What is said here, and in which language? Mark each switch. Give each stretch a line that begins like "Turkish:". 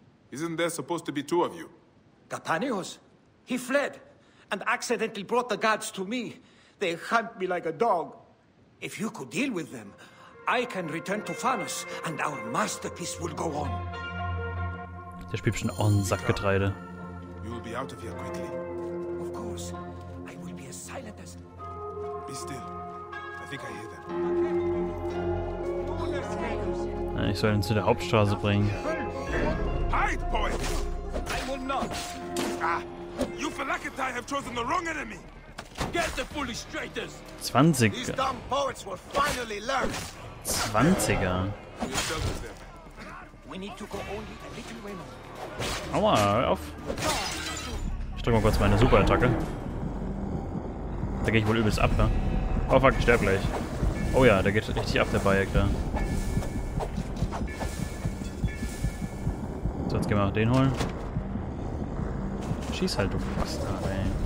English: Isn't there supposed to be two of you? Capanius? He fled. and accidentally brought the guards to me. They hunt me like a dog. If you could deal with them, I can return to Phanus and our masterpiece will go on.
German: Der spielt schon on Sackgetreide.
English: You will be out of here quickly. Of course. I will be as silent as... Be still. I think I hear them.
German: Nein, ich soll ihn zu der Hauptstraße bringen.
English: Hide, boy! I will not. Ah, you Falakatai have chosen the wrong enemy. Get the foolish traitors. 20. These dumb poets will finally learn.
German: 20er.
English: We need to go only a little way more.
German: Aua, hör auf. Ich drück mal kurz meine Superattacke. Da geh ich wohl übelst ab, ne?
English: Oh fuck,
German: ich sterb gleich. Oh ja, da geht richtig ab, der Bayek da. So, jetzt gehen wir auch den holen. Schieß halt, du Bastard, ey.